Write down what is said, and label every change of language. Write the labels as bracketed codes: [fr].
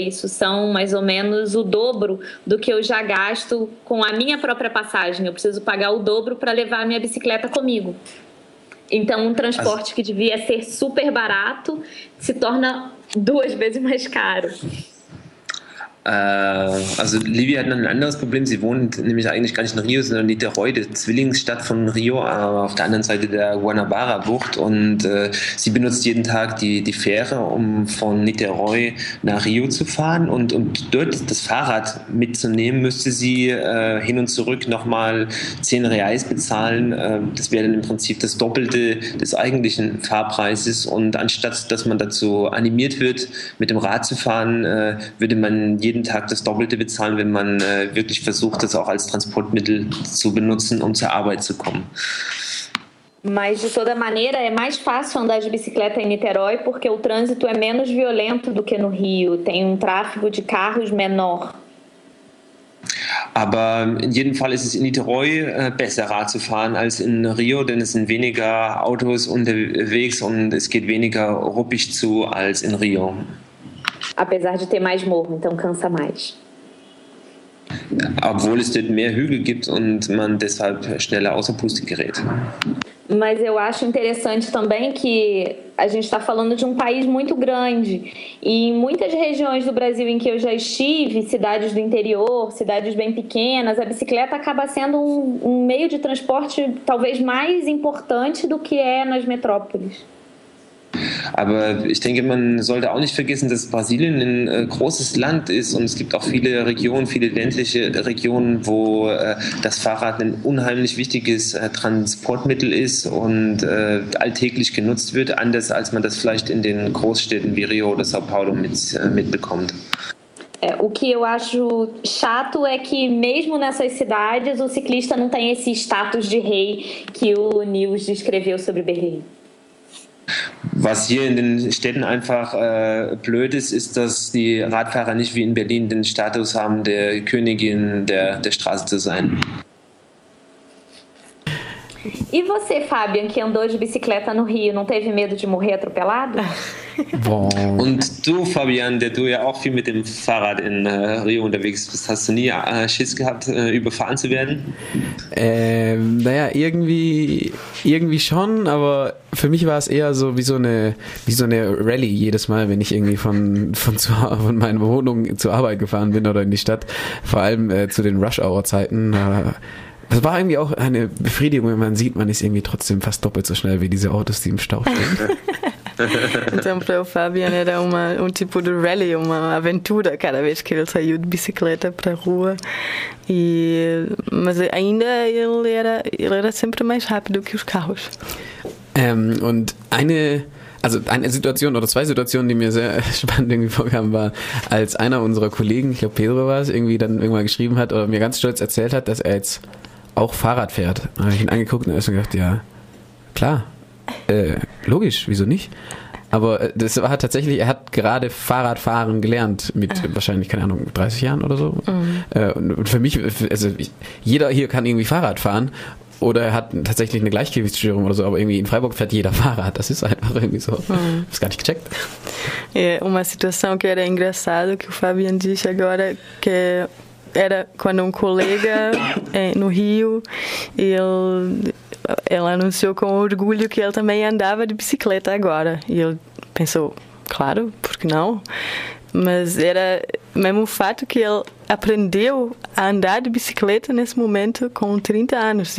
[pt] Isso são mais ou menos o dobro do que eu já gasto com a minha própria passagem. Eu preciso pagar o dobro para levar a minha bicicleta comigo. Então, um transporte que devia ser super barato se torna duas vezes mais caro. [de] Also Livia hat ein anderes Problem. Sie wohnt nämlich eigentlich gar nicht in Rio, sondern in Niterói, der Zwillingsstadt von Rio, auf der anderen Seite der Guanabara-Bucht. Und sie benutzt jeden Tag die Fähre, um von Niterói nach Rio zu fahren. Und um dort das Fahrrad mitzunehmen, müsste sie hin und zurück nochmal 10 Reais bezahlen. Das wäre dann im Prinzip das Doppelte des eigentlichen Fahrpreises. Und anstatt, dass man dazu animiert wird, mit dem Rad zu fahren, würde man jeden Tag das Doppelte bezahlen, wenn man wirklich versucht, das auch als Transportmittel zu benutzen, um zur Arbeit zu kommen. [pt] Mas de toda maneira é mais fácil andar de bicicleta em Niterói porque o trânsito é menos violento do que no Rio, tem tráfego de carros menor. [de] Aber in jedem Fall ist es in Niterói besser Rad zu fahren als in Rio, denn es sind weniger Autos unterwegs und es geht weniger ruppig zu als in Rio. [pt] Apesar de ter mais morro, então cansa mais. [de] Obwohl es dort mehr Hügel gibt und man deshalb schneller außer Puste gerät. [pt] Mas eu acho interessante também que a gente está falando de país muito grande. E em muitas regiões do Brasil em que eu já estive, cidades do interior, cidades bem pequenas, a bicicleta acaba sendo um meio de transporte talvez mais importante do que é nas metrópoles. [de] Aber ich denke, man sollte auch nicht vergessen, dass Brasilien ein großes Land ist und es gibt auch viele Regionen, viele ländliche Regionen, wo das Fahrrad ein unheimlich wichtiges Transportmittel ist und alltäglich genutzt wird, anders als man das vielleicht in den Großstädten wie Rio oder São Paulo mitbekommt. [pt] O que eu acho chato é que mesmo nessas cidades o ciclista não tem esse status de rei que o Nils descreveu sobre Berlim. [de] Was hier in den Städten einfach blöd ist, ist, dass die Radfahrer nicht wie in Berlin den Status haben, der Königin der Straße zu sein. [pt] E você, Fabian, que andou de bicicleta no Rio, não teve medo de morrer atropelado? [de] Und du, Fabian, der du ja auch viel mit dem Fahrrad in Rio unterwegs bist, hast du nie Schiss gehabt, überfahren zu werden? Naja, irgendwie schon, aber für mich war es eher so wie so eine Rallye jedes Mal, wenn ich irgendwie von meiner Wohnung zur Arbeit gefahren bin oder in die Stadt, vor allem zu den Rush-Hour-Zeiten. Das war irgendwie auch eine Befriedigung, wenn man sieht, man ist irgendwie trotzdem fast doppelt so schnell wie diese Autos, die im Stau stehen. [pt] Então, para o Fabian era uma, um tipo de rally, uma aventura, cada vez que ele saiu de bicicleta para a rua. E, mas ainda ele era sempre mais rápido que os carros. [de] Und eine, also eine Situation oder zwei Situationen, die mir sehr spannend irgendwie vorkamen, war, als einer unserer Kollegen, ich glaube Pedro war es, irgendwie dann irgendwann geschrieben hat oder mir ganz stolz erzählt hat, dass er jetzt auch Fahrrad fährt. Da habe ich ihn angeguckt und er hat gedacht, ja, klar, logisch, wieso nicht? Aber das war tatsächlich, er hat gerade Fahrradfahren gelernt mit wahrscheinlich, keine Ahnung, 30 Jahren oder so. Mhm. Und für mich, also jeder hier kann irgendwie Fahrrad fahren. Oder er hat tatsächlich eine Gleichgewichtsstörung oder so, aber irgendwie in Freiburg fährt jeder Fahrrad. Das ist einfach irgendwie so. Ich hab's gar nicht gecheckt. [pt] É uma situação que era engraçado, que o Fabian disse agora, que era quando colega no Rio, ele anunciou com orgulho que ele também andava de bicicleta agora. E ele pensou, claro, por que não? Mas era mesmo o fato que ele aprendeu a andar de bicicleta nesse momento com 30 anos.